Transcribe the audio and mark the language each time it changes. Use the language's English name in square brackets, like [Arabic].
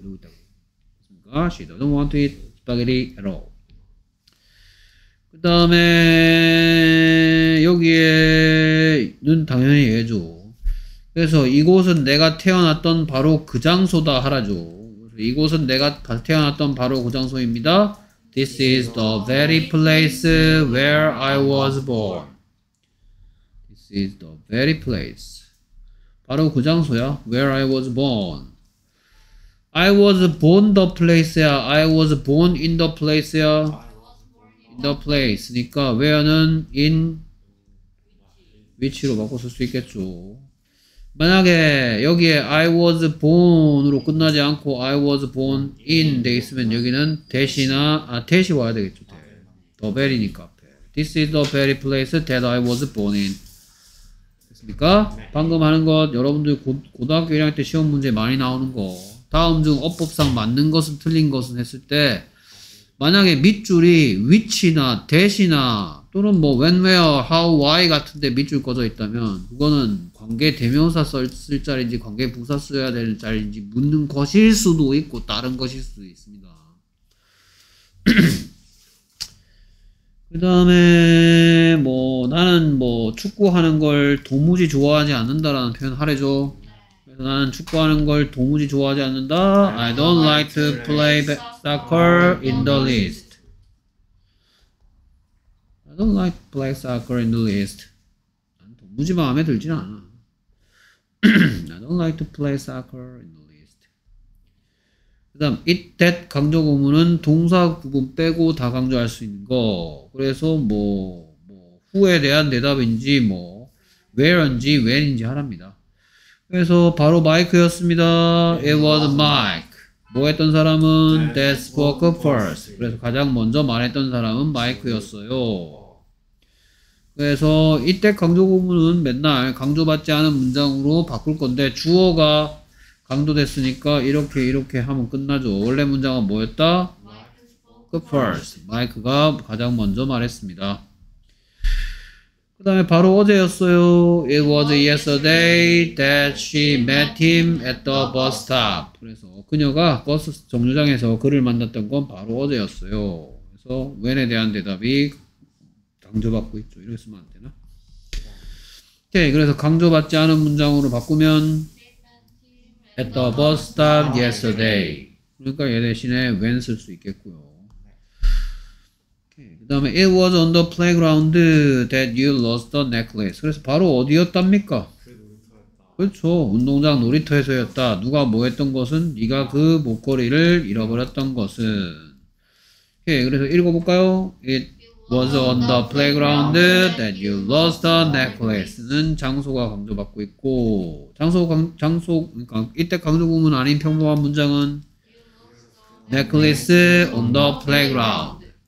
[Korean] 그러니까 [English] she doesn't want to eat spaghetti at all. [Korean] 그 다음에 여기에는 당연히 얘죠. 그래서 이곳은 내가 태어났던 바로 그 장소다 하라죠. 이곳은 내가 태어났던 바로 그 장소입니다. [English] This is the very place where I was born. This is the very place. [Korean] 바로 그 장소야. [English] Where I was born. I was born the place야. I was born in the place야. In the place. [Korean] 그러니까 where는 in which로 바꿔 쓸 수 있겠죠. 만약에 여기에 [English] I was born [Korean] 으로 끝나지 않고 [English] I was born in [Korean] 돼 있으면 여기는 대시나 아 대시 와야 되겠죠. 대. The very니까. [English] This is the very place that I was born in. [Korean] 됐습니까? 방금 하는 것 여러분들 고등학교 1학년 때 시험 문제 많이 나오는 거. 다음 중 어법상 맞는 것은 틀린 것은 했을 때 만약에 밑줄이 which나 that이나 또는 뭐 when, where, how, why 같은데 밑줄 꺼져 있다면 그거는 관계 대명사 쓸 자리인지 관계 부사 써야 되는 자리인지 묻는 것일 수도 있고 다른 것일 수도 있습니다. 그 다음에 뭐 나는 뭐 축구하는 걸 도무지 좋아하지 않는다라는 표현 하래죠. 그래서 나는 축구하는 걸 도무지 좋아하지 않는다. [English] I don't like to play soccer in the least. I don't like to play soccer in the least. [Korean] 나는 도무지 마음에 들진 않아. [English] I don't like to play soccer in the least. [Korean] 그 다음, it, that 강조구문은 동사 부분 빼고 다 강조할 수 있는 거. 그래서 뭐, who에 대한 대답인지, 뭐, where인지, when인지 하랍니다. 그래서 바로 마이크였습니다. [English] It was Mike. 뭐 했던 사람은 that spoke first. [Korean] 그래서 가장 먼저 말했던 사람은 마이크였어요. 그래서 이때 강조구문은 맨날 강조받지 않은 문장으로 바꿀 건데 주어가 강조됐으니까 이렇게 이렇게 하면 끝나죠. 원래 문장은 뭐였다? [English] Mike spoke first. [Korean] 마이크가 가장 먼저 말했습니다. 그 다음에 바로 어제였어요. [English] It was yesterday that she met him at the bus stop. [Korean] 그래서 그녀가 버스 정류장에서 그를 만났던 건 바로 어제였어요. 그래서 when에 대한 대답이 강조받고 있죠. 이렇게 쓰면 안 되나? 오케이. 그래서 강조받지 않은 문장으로 바꾸면 [English] at the bus stop yesterday. [Korean] 그러니까 얘 대신에 when 쓸 수 있겠고요. [English] 그 다음에 it was on the playground that you lost the necklace. [Korean] 그래서 바로 어디였답니까? 그렇죠. 운동장 놀이터에서였다. 누가 뭐 했던 것은? 네가 그 목걸이를 잃어버렸던 것은. 오케이. 그래서 읽어볼까요? [English] It was on the playground that you lost the necklace [Korean] 는 장소가 강조받고 있고 장소 그러니까 이때 강조구문 아닌 평범한 문장은 [English] necklace on the playground.